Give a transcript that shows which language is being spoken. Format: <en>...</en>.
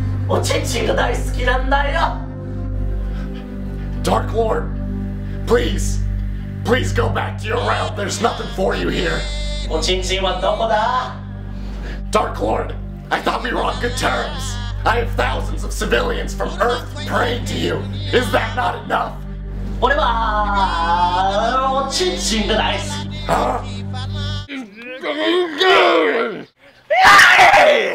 <ja>おちんちんが大好きなんだよ。</ja> <en>Dark Lord, please, please go back to your realm. There's nothing for you here.</en> <ja>おちんちんはどこだ?</ja> <en>Dark Lord, I thought we were on good terms. I have thousands of civilians from Earth praying to you. Is that not enough?</en> <ja>俺はおちんちんが大好き。</ja>